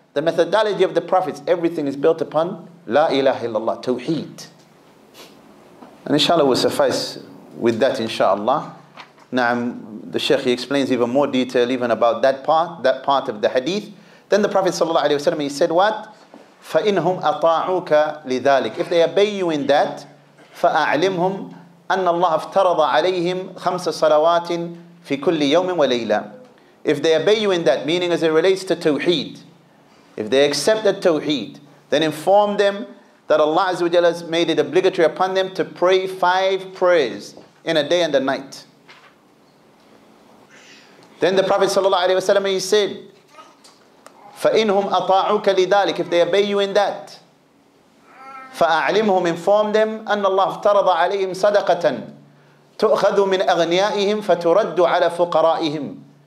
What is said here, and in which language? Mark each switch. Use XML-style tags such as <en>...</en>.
<en>The methodology of the prophets, everything is built upon la ilaha illallah, tawheed. And inshallah will suffice with that inshallah. Naam, the Shaykh, he explains even more detail even about that part of the hadith. Then the Prophet sallallahu alayhi wa sallam, he said what?</en> <ar>فَإِنْهُمْ أَطَاعُوكَ لِذَٰلِكَ.</ar> <en>If they obey you in that,</en> <ar>فَأَعْلِمْهُمْ أَنَّ اللَّهَ افْتَرَضَ عَلَيْهِمْ خَمْسَ صَلَوَاتٍ فِي كُلِّ يَوْمٍ وَلَيْلًا.</ar> <en>If they obey you in that, meaning as it relates to tawheed, if they accept the tawheed, then inform them that Allah Azza wa Jalla has made it obligatory upon them to pray five prayers in a day and a night. Then the Prophet sallallahu alaihi wasallam, he said,</en> <ar>فَإِنْهُمْ أَطَاعُوكَ لِذَلِكَ,</ar> <en>if they obey you in that,</en> <ar>فَأَعْلِمْهُمْ,</ar> <en>inform them,</en> <ar>أَنَّ اللَّهُ افْتَرَضَ عَلَيْهِمْ صَدَقَةً تُؤْخَذُ مِنْ أَغْنِيَائِهِمْ فَتُرَدُّ عَلَى فُقَرَائِهِمْ.</ar>